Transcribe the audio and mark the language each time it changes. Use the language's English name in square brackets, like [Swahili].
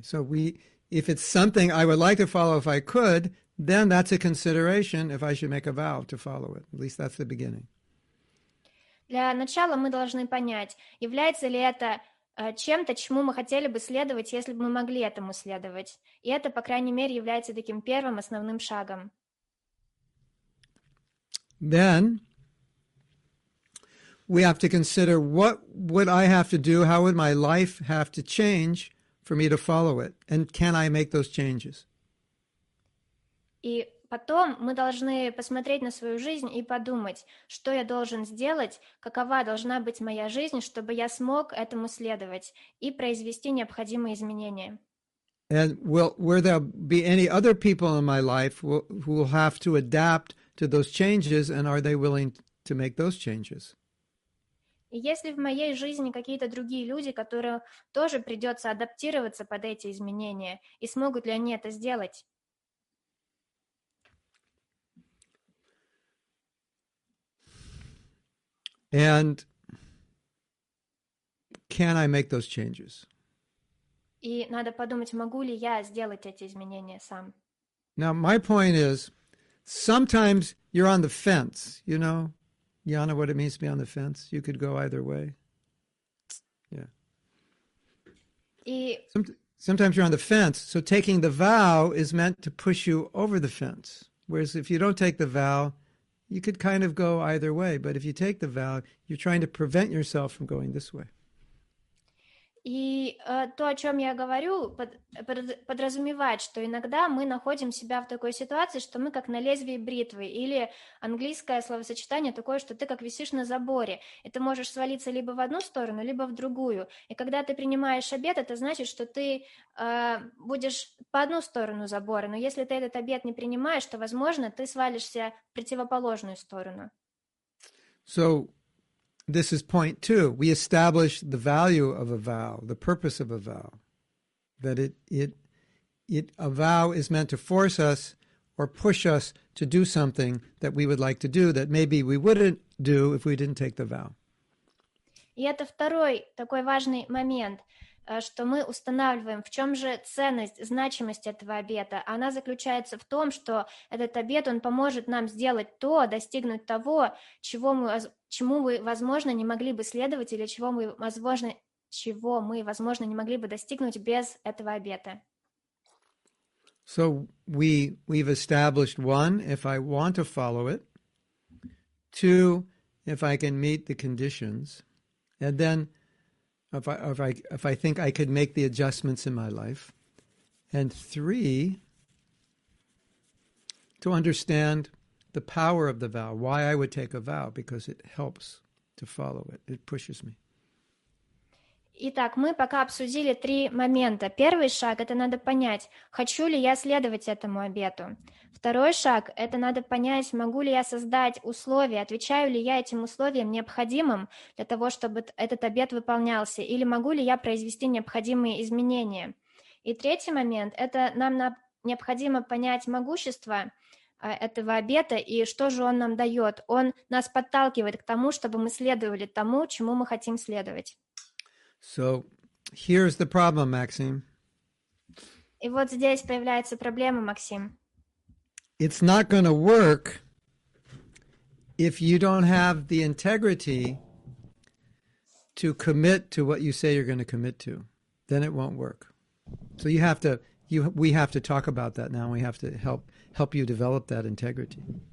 [English] So we, if it's something I would like to follow if I could, then that's a consideration if I should make a vow to follow it. At least that's the beginning. [Russian] Для начала мы должны понять, является ли это чем-то, чему мы хотели бы следовать, если бы мы могли этому следовать. И это, по крайней мере, является таким первым основным шагом. [English] Then we have to consider what would I have to do, how would my life have to change for me to follow it, and can I make those changes? [Russian] И потом мы должны посмотреть на свою жизнь и подумать, что я должен сделать, какова должна быть моя жизнь, чтобы я смог этому следовать и произвести необходимые изменения. [English] And will there be any other people in my life who will have to adapt to those changes, and are they willing to make those changes? [Russian] И есть ли в моей жизни какие-то другие люди, которые тоже придется адаптироваться под эти изменения, и смогут ли они это сделать? [English] And can I make those changes? [Russian] И надо подумать, могу ли я сделать эти изменения сам. [English] Now, my point is, sometimes you're on the fence, you know? You know what it means to be on the fence? You could go either way. Yeah. [Russian] И... [English] Sometimes you're on the fence, so taking the vow is meant to push you over the fence. Whereas if you don't take the vow, you could kind of go either way, but if you take the vow, you're trying to prevent yourself from going this way. [Russian] И то, о чем я говорю, подразумевает, что иногда мы находим себя в такой ситуации, что мы как на лезвии бритвы, или английское словосочетание такое, что ты как висишь на заборе, и ты можешь свалиться либо в одну сторону, либо в другую. И когда ты принимаешь обет, это значит, что ты будешь по одну сторону забора, но если ты этот обет не принимаешь, то, возможно, ты свалишься в противоположную сторону. [English] So... This is point two. We establish the value of a vow, the purpose of a vow. That it a vow is meant to force us or push us to do something that we would like to do that maybe we wouldn't do if we didn't take the vow. [Russian] И это второй такой важный момент, что мы устанавливаем, в чем же ценность, значимость этого обета. Она заключается в том, что этот обет, он поможет нам сделать то, достигнуть того, чему мы, возможно, не могли бы следовать или чего мы, возможно, не могли бы достигнуть без этого обета. [English] So we've established one, if I want to follow it, two, if I can meet the conditions, and then if I think I could make the adjustments in my life, and three, to understand the power of the vow, why I would take a vow, because it helps to follow it. It pushes me. [Russian] Итак, мы пока обсудили три момента. Первый шаг — это надо понять, хочу ли я следовать этому обету. Второй шаг — это надо понять, могу ли я создать условия, отвечаю ли я этим условиям необходимым для того, чтобы этот обет выполнялся, или могу ли я произвести необходимые изменения. И третий момент — это нам необходимо понять могущество этого обета и что же он нам дает. Он нас подталкивает к тому, чтобы мы следовали тому, чему мы хотим следовать. [English] So here's the problem, Maxim. [Russian] И вот здесь появляется проблема, Максим. [English] It's not going to work if you don't have the integrity to commit to what you say you're going to commit to. Then it won't work. So we have to talk about that now. We have to help you develop that integrity.